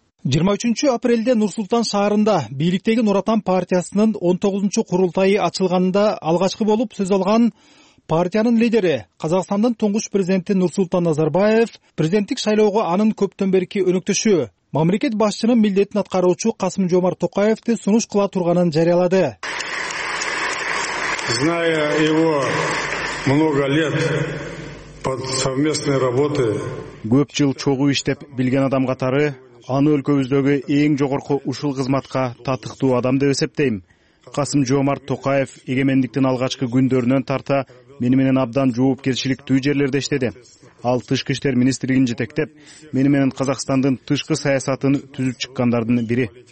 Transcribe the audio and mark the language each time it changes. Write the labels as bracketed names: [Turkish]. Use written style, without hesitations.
[Kyrgyz] 23-апрелде Нурсултан шаарында бийликтеги Нур Отан партиясынын 19-чу курултайы ачылганында алгачкы болуп сөз алган партиянын лидери, Казакстандын туңгуч президенти Нурсултан Назарбаев президенттик шайлоого анын көптөн берки өнөктөшү, мамлекет башчынын милдетин аткаруучу Касым Жомарт Токаевди сунуш кыла турганын жарыялады. [Russian] Зная его много лет под совместной работы, [Kyrgyz] көп жыл чогуу иштеп билген адам катары аны өлкөбүздөгү эң жогорку ушул кызматка татыктуу адам деп эсептейм. Касым Жомарт Токаев эгемендиктин алгачкы күндөрүнөн тарта мени менен абдан жоопкерчиликтүү жерлерде иштеди. Ал тышкы иштер министрлигин жетектеп, мени менен Казакстандын тышкы саясатын түзүп чыккандардын бири.